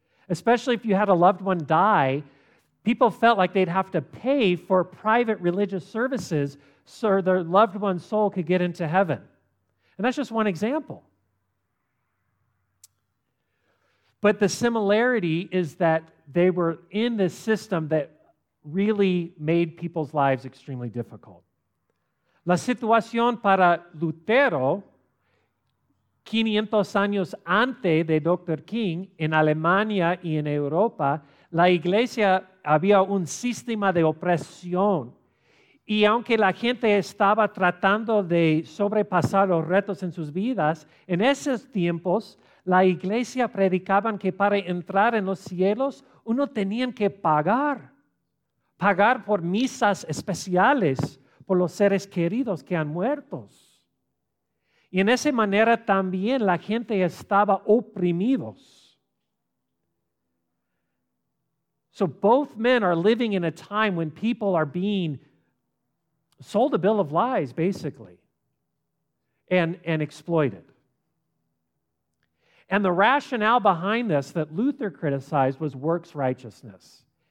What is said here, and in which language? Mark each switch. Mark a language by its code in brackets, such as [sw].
[en] Especially if you had a loved one die, people felt like they'd have to pay for private religious services so their loved one's soul could get into heaven. And that's just one example. But the similarity is that they were in this system that really made people's lives extremely difficult. [es] La situación para Lutero, 500 años antes de Dr. King, en Alemania y en Europa, la iglesia había un sistema de opresión. Y aunque la gente estaba tratando de sobrepasar los retos en sus vidas, en esos tiempos, la iglesia predicaba que para entrar en los cielos, uno tenía que pagar. Pagar por misas especiales, por los seres queridos que han muerto. Y en esa manera también la gente estaba oprimidos. [en] So both men are living in a time when people are being sold a bill of lies, basically, and exploited. And the rationale behind this that Luther criticized was works righteousness.